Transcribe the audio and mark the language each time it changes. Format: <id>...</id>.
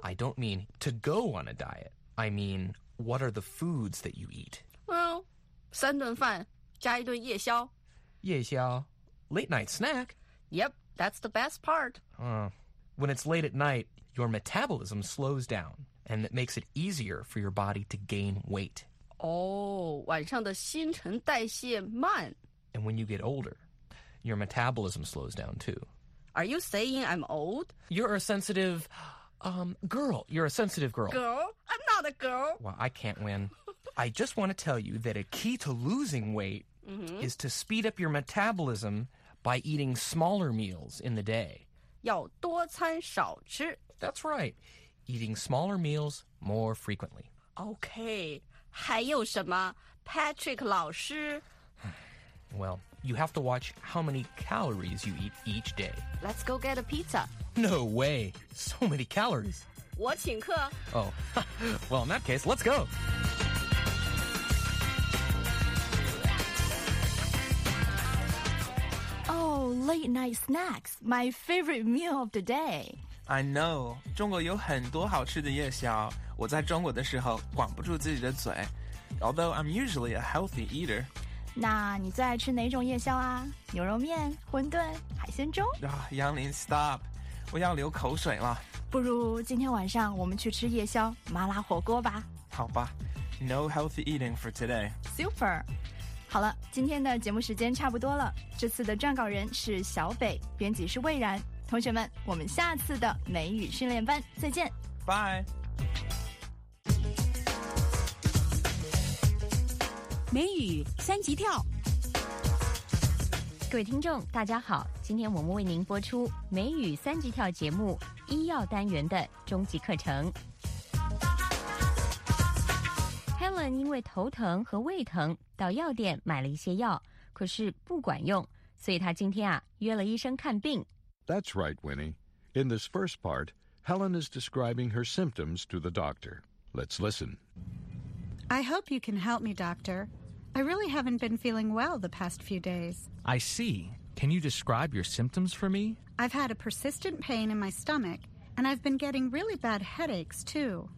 <en>I don't mean to go on a diet. I mean, what are the foods that you eat?</en> <zh>Well, 三顿饭加一顿夜宵。夜宵。</zh> <en>Late night snack. Yep, that's the best part. When it's late at night, your metabolism slows down, and it makes it easier for your body to gain weight.</en> <zh>Oh, 晚上的新陈代谢慢。</zh> <en>And when you get older, your metabolism slows down too. Are you saying I'm old? You're a sensitive, girl. You're a sensitive girl. Girl? I'm not a girl. Well, I can't win. I just want to tell you that a key to losing weight、 mm-hmm. is to speed up your metabolism by eating smaller meals in the day.</en> <zh>要多餐少吃。</zh> <en>That's right. Eating smaller meals more frequently.</en> <zh>Okay. 还有什么 Patrick 老师</zh> <en>Well, you have to watch how many calories you eat each day. Let's go get a pizza. No way. So many calories.</en> <zh>我请客。</zh> <en>Oh. Well, in that case, let's go. Late night snacks, my favorite meal of the day. I know.</en> <zh>中国有很多好吃的夜宵。我在中国的时候管不住自己的嘴。</zh> <en>Although I'm usually a healthy eater.</en> <zh>那你最爱吃哪种夜宵啊？牛肉面、馄饨、海鲜粥？啊，杨林 ，stop， 我要流口水了。不如今天晚上我们去吃夜宵，麻辣火锅吧。好吧</zh> <en>，no healthy eating for today。 Super。</en> <zh>好了，今天的节目时间差不多了。这次的撰稿人是小北，编辑是魏然。同学们，我们下次的美语训练班再见。</zh> <en>Bye。</en> <zh>美语三级跳。各位听众，大家好，今天我们为您播出美语三级跳节目医药单元的终极课程。 Helen 因为头疼和胃疼，到药店买了一些药，可是不管用，所以她今天约了医生看病。</zh> <en>That's right, Winnie. In this first part, Helen is describing her symptoms to the doctor. Let's listen. I hope you can help me, doctor. I really haven't been feeling well the past few days. I see. Can you describe your symptoms for me? I've had a persistent pain in my stomach, and I've been getting really bad headaches, too.</en>